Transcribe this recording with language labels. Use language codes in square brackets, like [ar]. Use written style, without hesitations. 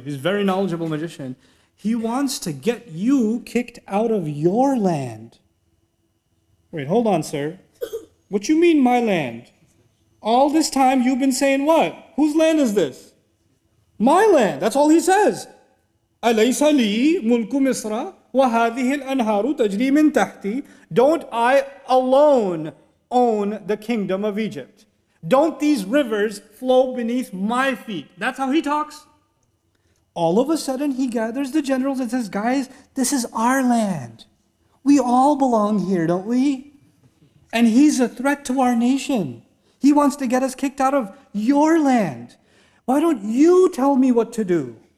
[en] He's a very knowledgeable magician. He wants to get you kicked out of your land. Wait, hold on, sir. What you mean, my land? All this time you've been saying what? Whose land is this? My land, that's all he says. [ar] أَلَيْسَ لِي مُلْكُ مِصْرَ وَهَذِهِ الْأَنْهَارُ تَجْرِي مِنْ تَحْتِي [en] Don't I alone own the kingdom of Egypt? Don't these rivers flow beneath my feet? That's how he talks. All of a sudden, he gathers the generals and says, guys, this is our land. We all belong here, don't we? And he's a threat to our nation. He wants to get us kicked out of your land. Why don't you tell me what to do?